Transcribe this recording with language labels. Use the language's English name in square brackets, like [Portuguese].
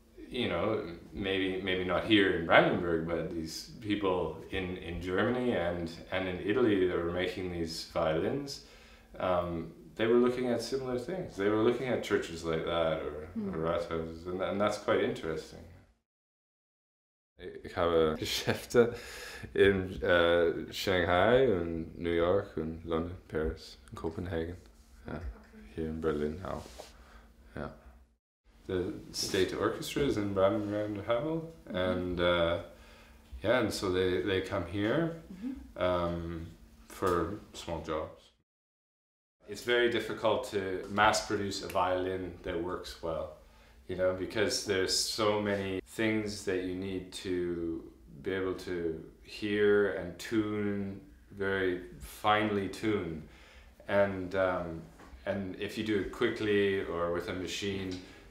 [English] you know, maybe not here in Brandenburg, but these people in Germany and in Italy that were making these violins, they were looking at similar things. They were looking at churches like that or rathouses, and that's quite interesting. [German] Ich habe Geschäfte in Shanghai und New York und London, Paris, in Copenhagen, hier in Berlin auch. Ja. [English] The state orchestra is in Brandenburg-Havel, and yeah, and so they come here for small jobs. It's very difficult to mass produce a violin that works well, you know, because there's so many things that you need to be able to hear and tune, very finely tune, and if you do it quickly or with a machine,